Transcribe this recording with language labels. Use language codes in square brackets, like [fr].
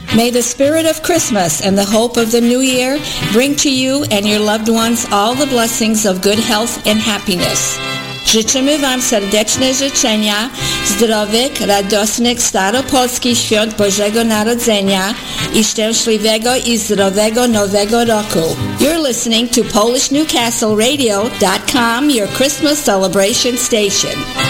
[en] May the spirit of Christmas and the hope of the new year bring to you and your loved ones all the blessings of good health and happiness. [pl] Życzymy Wam serdeczne życzenia, zdrowych, radosnych, staropolskich świąt Bożego Narodzenia I szczęśliwego I zdrowego Nowego Roku. [en] You're listening to PolishNewcastleRadio.com, your Christmas celebration station.